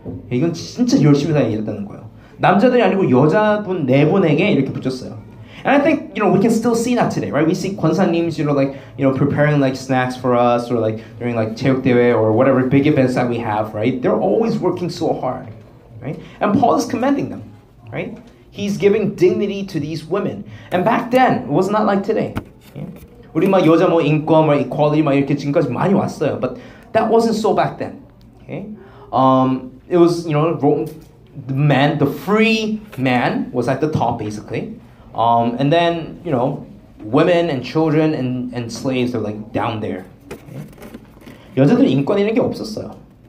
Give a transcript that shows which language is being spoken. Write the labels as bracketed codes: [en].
[ko] 이건 진짜 열심히 다녔다는 거예요. 남자들이 아니고 여자분 4분에게 이렇게 붙였어요. [en] And I think, you know, we can still see that today, right? We see 권사님s, you know, like, you know, preparing like snacks for us or like during like 체육대회 or whatever big events that we have, right? They're always working so hard, right? And Paul is commending them, right? He's giving dignity to these women. And back then, it was not like today. [ko] Okay? 우리 막 여자 뭐 인권 뭐 equality 막 이렇게 지금까지 많이 왔어요. [en] But that wasn't so back then, okay? It was, you know, the free man was at the top, basically. And then, you know, women and children and slaves are like down there. Okay? [ko] 여자들 인권이라는 게 없었어요.